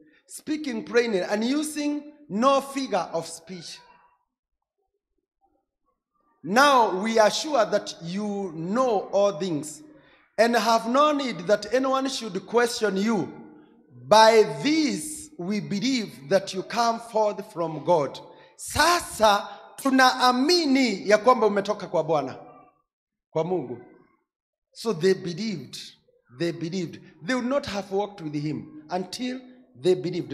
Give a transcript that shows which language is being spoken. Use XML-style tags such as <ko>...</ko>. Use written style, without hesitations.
<en>Speaking plainly and using no figure of speech. Now we are sure that you know all things and have no need that anyone should question you. By this we believe that you come forth from God.</en> <sw>Sasa tunaamini ya kwamba umetoka kwa Bwana, kwa Mungu.</sw> <en>So they believed. They believed. They would not have walked with him until they believed.</en>